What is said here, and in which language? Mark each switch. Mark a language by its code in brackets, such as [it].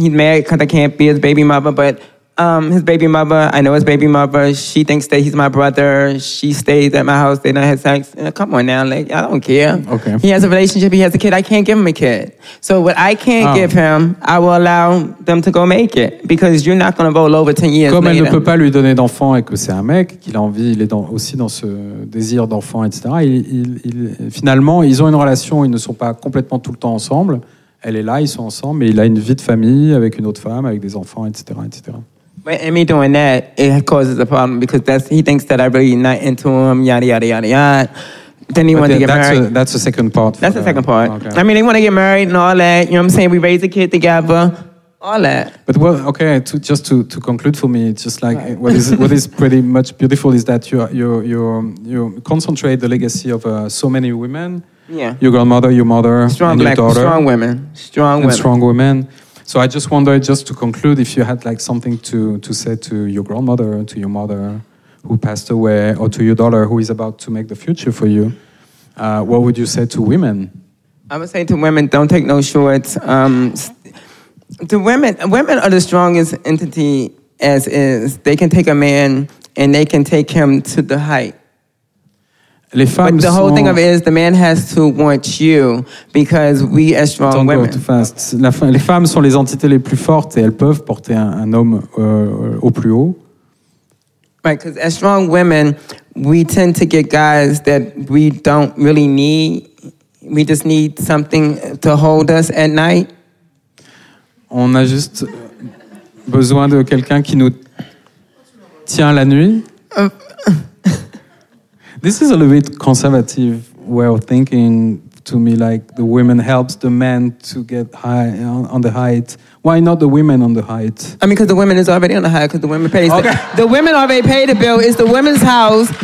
[en] He's mad because I can't be his baby mother, but... his baby mother, I know his baby mother. She thinks that he's my brother. She stays at my house. They don't have sex. Come on now, like, I don't care. Okay. He has a relationship. He has a kid. I can't give him a kid. So what I can't give him, I will allow them to go make it. Because you're not going to roll over 10 years [fr] comme [en] later. [fr] Elle ne peut pas lui donner d'enfant et que c'est un mec, qu'il a envie, il est dans, aussi dans ce désir d'enfant, etc. Finalement, ils ont une relation, ils ne sont pas complètement tout le temps ensemble. Elle est là, ils sont ensemble, mais il a une vie de famille avec une autre femme, avec des enfants, etc., etc. [en] But in me doing that, it causes a problem because he thinks that I'm really not into him, yada, yada, yada, yada. Then he wanted to get married. That's the second part. That's the second part. Okay. I mean, they want to get married and all that. You know what I'm saying? We raise a kid together. All that. But well, okay, to conclude for me, it's just like what is pretty much beautiful is that you concentrate the legacy of so many women. Yeah. Your grandmother, your mother, strong and your daughter. Strong women. Strong women. So I just wonder, just to conclude, if you had like something to say to your grandmother, to your mother who passed away, or to your daughter who is about to make the future for you, what would you say to women? I would say to women, don't take no shorts. To women are the strongest entity as is. They can take a man and they can take him to the height. [fr] Les femmes [en] but the whole thing of it is the man has to want you because we as strong don't women. Go too fast. [fr] Les femmes sont les entités les plus fortes et elles peuvent porter un homme au plus haut. [en] Right, because as strong women, we tend to get guys that we don't really need. We just need something to hold us at night. [fr] On a juste besoin de quelqu'un qui nous tient la nuit. [en] This is a little bit conservative way of thinking to me, like the women helps the men to get high on the height. Why not the women on the height? I mean, because the women is already on the height, because the women pay. Okay. The women already pay the bill. It's the women's house.